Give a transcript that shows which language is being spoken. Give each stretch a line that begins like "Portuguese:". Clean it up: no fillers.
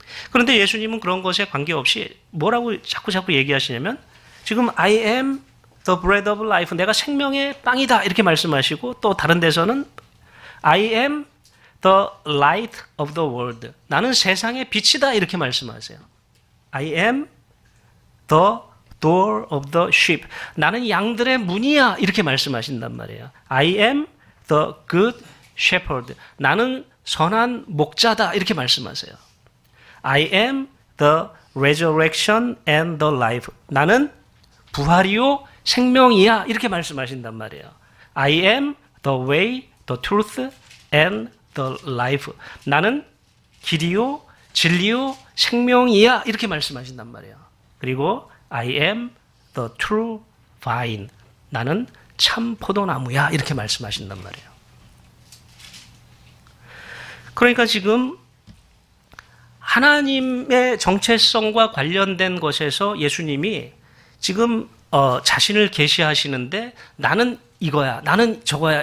Korean: 그런데 예수님은 그런 것에 관계없이 뭐라고 자꾸 얘기하시냐면 지금
English: I am the bread of life,
Korean: 내가 생명의 빵이다 이렇게 말씀하시고 또 다른 데서는
English: I am the light of the world.
Korean: 나는 세상의 빛이다. 이렇게 말씀하세요.
English: I am the door of the sheep.
Korean: 나는 양들의 문이야. 이렇게 말씀하신단 말이에요.
English: I am the good shepherd.
Korean: 나는 선한 목자다. 이렇게 말씀하세요.
English: I am the resurrection and the life.
Korean: 나는 부활이요 생명이야. 이렇게 말씀하신단 말이에요.
English: I am the way, the truth, and the life.
Korean: 나는 길이요, 진리요, 생명이야. 이렇게 말씀하신단 말이에요. 그리고
English: I am the true vine.
Korean: 나는 참 포도나무야. 이렇게 말씀하신단 말이에요. 그러니까 지금 하나님의 정체성과 관련된 것에서 예수님이 지금 자신을 계시하시는데 나는 이거야, 나는 저거야.